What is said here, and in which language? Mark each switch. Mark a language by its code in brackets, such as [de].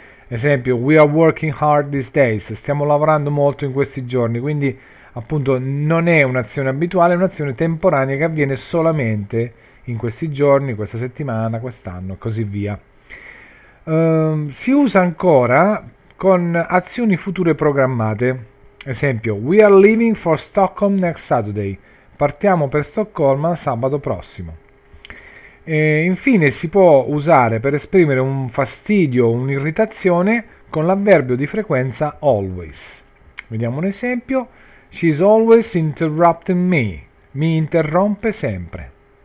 [it] Esempio, [en] we are working hard these days, [it] stiamo lavorando molto in questi giorni. Quindi appunto non è un'azione abituale, è un'azione temporanea che avviene solamente in questi giorni, questa settimana, quest'anno, e così via. Si usa ancora con azioni future programmate. Esempio, [en] we are leaving for Stockholm next Saturday. [it] Partiamo per Stoccolma sabato prossimo. E infine si può usare per esprimere un fastidio o un'irritazione con l'avverbio di frequenza always. Vediamo un esempio. [en] She's always interrupting me. [it] Mi interrompe sempre.